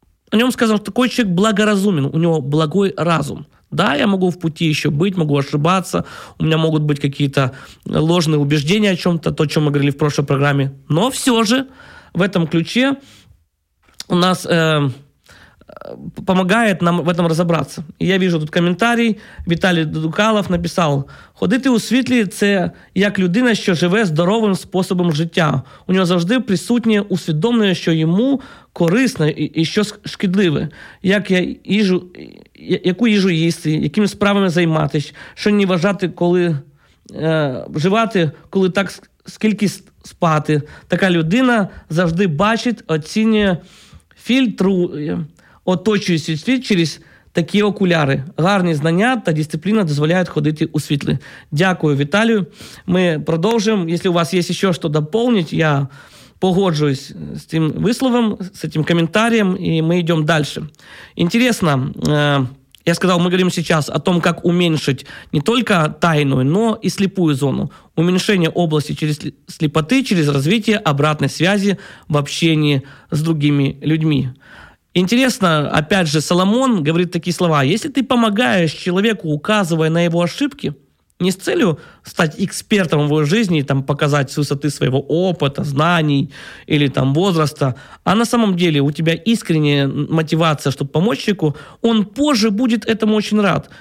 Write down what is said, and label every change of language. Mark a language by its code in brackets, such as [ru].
[ru] О нем сказано, что такой человек благоразумен, у него благой разум. Да, я могу в пути еще быть, могу ошибаться, у меня могут быть какие-то ложные убеждения о чем-то, то, о чем мы говорили в прошлой программе. Но все же в этом ключе у нас помогает нам в этом разобраться. И я вижу тут комментарий, Виталий Дукалов написал, [uk] «Ходити у світлі – це як людина, що живе здоровим способом життя. У нього завжди присутнє усвідомлення, що йому корисно і що шкідливе. Як я їжу, яку їжу їсти, якими справами займатись, що не вважати, коли вживати, коли так скільки спати. Така людина завжди бачить, оцінює, фільтрує, оточує світ через такі окуляри. Гарні знання та дисципліна дозволяють ходити у світлі». Дякую, Віталію. Ми продовжуємо. Якщо у вас є ще що доповнити, я погоджуюсь з цим висловом, з цим коментарем, і ми йдемо далі. Інтересно, я сказав, ми говоримо зараз о том, як уменьшити не тільки тайну, но і сліпу зону. Уменьшення області через сліпоти, через розвиття обратної зв'язки в общенні з другими людьми. [ru] Интересно, опять же, Соломон говорит такие слова. Если ты помогаешь человеку, указывая на его ошибки, не с целью стать экспертом в его жизни, там, показать с высоты своего опыта, знаний или там, возраста, а на самом деле у тебя искренняя мотивация, чтобы помочь человеку, он позже будет этому очень рад.